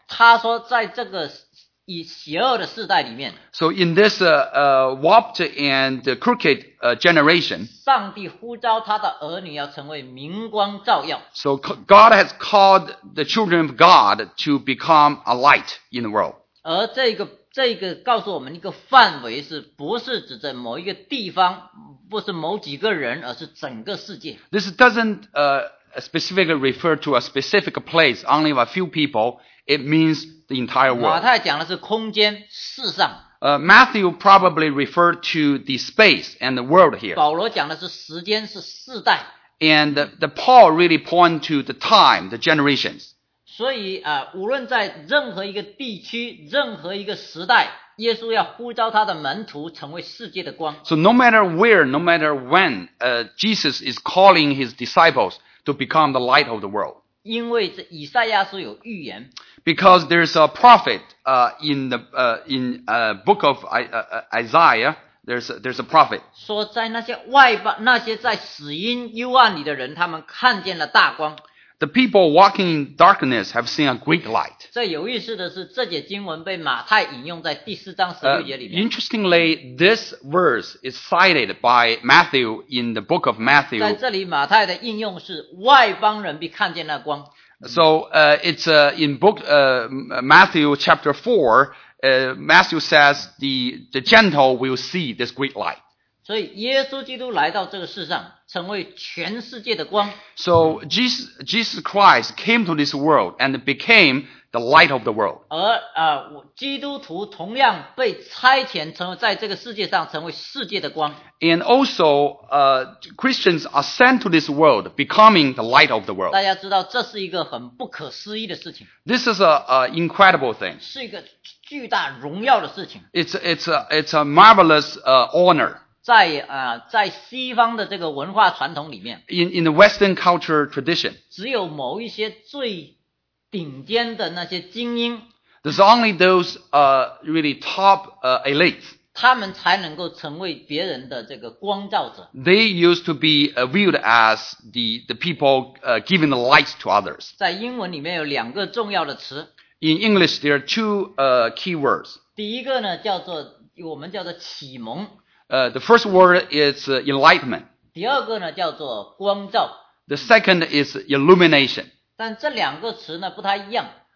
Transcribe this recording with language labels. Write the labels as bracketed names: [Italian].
[Chinese] 他说在这个以邪恶的世代里面。 [English] So in this warped and crooked generation, [Chinese] 上帝呼召他的儿女要成为明光照耀。 [English] So God has called the children of God to become a light in the world. [Chinese] 而这个告诉我们一个范围是不是指在某一个地方，不是某几个人，而是整个世界。 [English] This doesn't specifically refer to a specific place, only a few people. It means the entire world. [Chinese] 马太讲的是空间，世上。 [English] Matthew probably referred to the space and the world here. [Chinese] 保罗讲的是时间，是世代。 [English] And the Paul really point to the time, the generations. [Chinese] 所以无论在任何一个地区，任何一个时代，耶稣要呼召他的门徒成为世界的光。 [English] So no matter where, no matter when, Jesus is calling his disciples to become the light of the world. [Chinese] 因为这以赛亚书有预言。 [English] Because there's a prophet, in book of Isaiah, there's a prophet. [Chinese] 说在那些外邦，那些在死荫幽暗里的人，他们看见了大光。 [English] The people walking in darkness have seen a great light. [Chinese] 最有意思的是，这节经文被马太引用在第四章十六节里面。 [English] Interestingly, this verse is cited by Matthew in the book of Matthew. [Chinese] 在这里，马太的应用是外邦人必看见那光。 [English] So, in book, Matthew chapter 4, Matthew says the Gentile will see this great light. [Chinese] 所以耶稣基督来到这个世上，成为全世界的光。 [English] So, Jesus Christ came to this world and became the light of the world. [Chinese] 而基督徒同样被差遣成为在这个世界上成为世界的光。 [English] And also, Christians are sent to this world, becoming the light of the world. [Chinese] 大家知道这是一个很不可思议的事情。 [English] This is an incredible thing. [Chinese] 是一个巨大荣耀的事情。 [English] It's a marvelous honor. [Chinese] 在西方的这个文化传统里面。 [English] In the Western culture tradition. [Chinese] 只有某一些最顶尖的那些精英。 [English] There's only those, really top, elites. [Chinese] 他们才能够成为别人的这个光照者。 [English] They used to be viewed as the people, giving the light to others. [Chinese] 在英文里面有两个重要的词。 [English] In English, there are two, key words. [Chinese] 第一个呢，叫做，我们叫做启蒙。 [English] The first word is enlightenment. [Chinese] 第二个呢，叫做光照。 [English] The second is illumination. [Chinese] 但这两个词呢，不太一样。